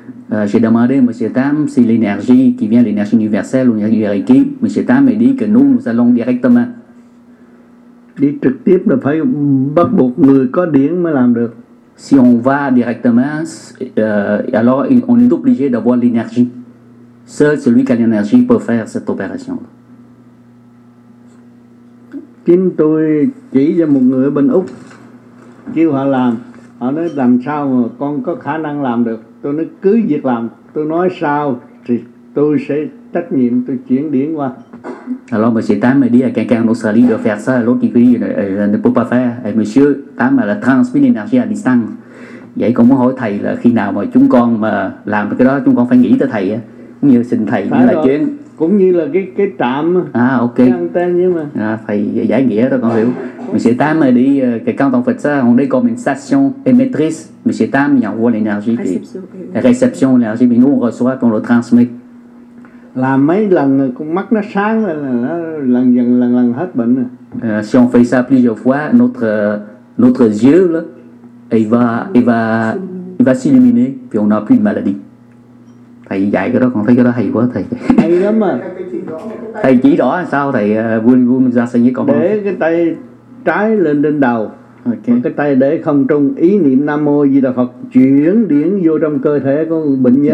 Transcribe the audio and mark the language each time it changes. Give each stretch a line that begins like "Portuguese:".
French: J'ai demandé à Monsieur Tam si l'énergie qui vient l'énergie universelle ou l'énergie Reiki. Monsieur Tam m'a dit que nous allons directement.
Vietnamese: Đi trực tiếp là phải bắt buộc người có điển mới làm được.
French: Si on va directement, alors on est obligé d'avoir l'énergie. Seul celui qui a l'énergie peut faire cette opération.
Vietnamese: Chính tôi chỉ cho một người ở bên Úc, kêu họ làm. Họ nói làm sao mà con có khả năng làm được. Tôi nói cứ việc làm. Tôi nói sao thì tôi sẽ trách nhiệm, tôi chuyển điển qua.
French: Alors monsieur Tam m'a dit à quelqu'un au Sali de faire ça, l'autre qui dit ne peut pas faire. Et monsieur Tam a transmis l'énergie à distance.
Vietnamese: Vậy con muốn hỏi thầy là khi nào mà chúng con mà làm cái đó, chúng con phải nghĩ tới thầy á. Cũng như xin thầy như là chuyện. Cũng như là cái trạm. À ok. Cái anten nhưng mà. À, thầy giải nghĩa rồi con hiểu.
French: Monsieur Tam m'a dit que quand on fait ça, on est comme une station émettrice. Monsieur Tam y envoie l'énergie. Réception l'énergie. Mais nous on reçoit et on le transmet.
Vietnamese: Làm mấy lần con mắt nó sáng là nó lần dần hết bệnh rồi.
French: Si on fait ça plusieurs fois, notre yeux là il va s'illuminer puis on n'a plus de maladie.
Vietnamese: Thầy dạy cái đó con thấy cái đó hay quá thầy. Hay lắm mà. Thầy chỉ rõ sao thầy vun ra sao như con. Để cái tay trái lên trên đầu. Okay. Cái tay để không trung, ý niệm Nam Mô Di Đà Phật chuyển điển vô trong cơ thể của bệnh nhân.